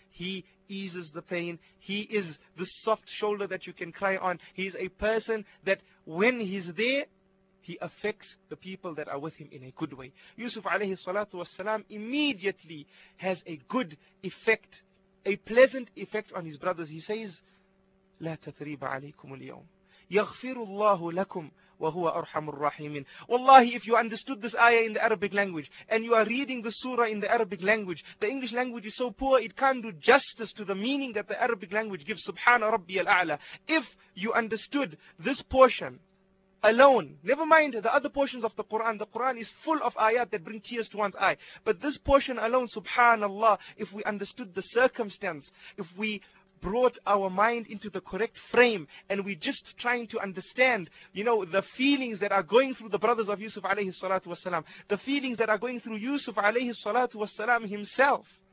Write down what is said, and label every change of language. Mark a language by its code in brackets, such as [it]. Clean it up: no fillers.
[en] He eases the pain. He is the soft shoulder that you can cry on. He is a person that when he's there, he affects the people that are with him in a good way. Yusuf alayhi salatu wasalam immediately has a good effect, a pleasant effect on his brothers. He says, [ar] لا تثريب عليكم اليوم يغفر الله لكم وهو أرحم الراحمين. [en] Wallahi, if you understood this ayah in the Arabic language and you are reading the surah in the Arabic language, the English language is so poor it can't do justice to the meaning that the Arabic language gives. [ar] Subhana rabbi al-a'la. [en] If you understood this portion alone, never mind the other portions of the Quran is full of ayat that bring tears to one's eye, but this portion alone, subhanallah, if we understood the circumstance, if we brought our mind into the correct frame and we just trying to understand, you know, the feelings that are going through the brothers of Yusuf alayhi salatu wasalam, the feelings that are going through Yusuf alayhi salatu wasalam himself,